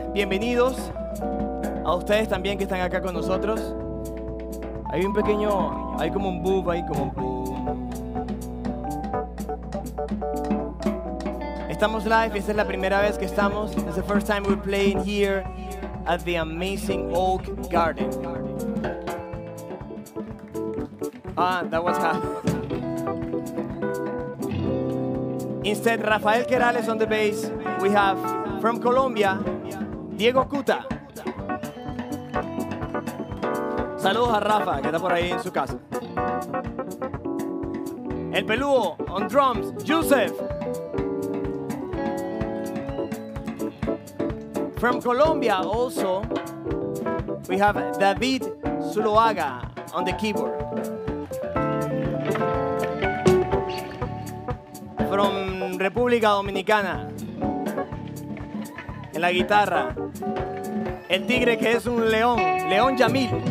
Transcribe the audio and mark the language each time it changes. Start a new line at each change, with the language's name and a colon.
Spanish: Bienvenidos a ustedes también que están acá con nosotros. Hay un pequeño, hay como un boom, hay como un boom. Estamos live, esta es la primera vez que estamos.
English: It's the first time we're playing here at the amazing Oak Garden. Ah, that was half. Instead, Rafael Querales on the bass. We have, from Colombia, Diego Cuta.
Spanish: Saludos a Rafa, que está por ahí en su casa.
English: El Pelúo on drums, Joseph. From Colombia, also, we have David Zuloaga on the keyboard. From
Spanish: República Dominicana, en la guitarra, el tigre que es un león, León Yamil.